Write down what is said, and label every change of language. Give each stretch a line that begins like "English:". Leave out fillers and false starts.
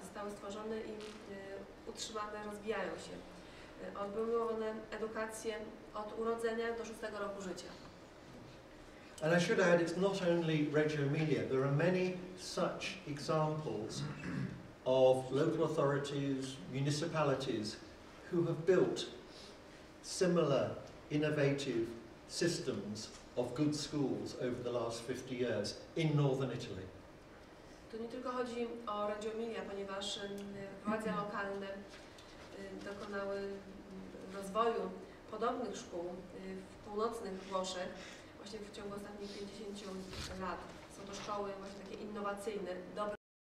Polish: Zostały stworzone i utrzymane, rozwijają się. Odbyły one edukację od urodzenia do 6 roku życia.
English: And I should add, it's not only Reggio Emilia. There are many such examples of local authorities, municipalities, who have built similar innovative systems of good schools over the last 50 years in northern Italy.
Polish: To nie tylko chodzi o Reggio Emilia, ponieważ władze lokalne dokonały rozwoju podobnych szkół w północnych Włoszech właśnie w ciągu ostatnich 50 lat. Są to szkoły właśnie takie innowacyjne, dobre.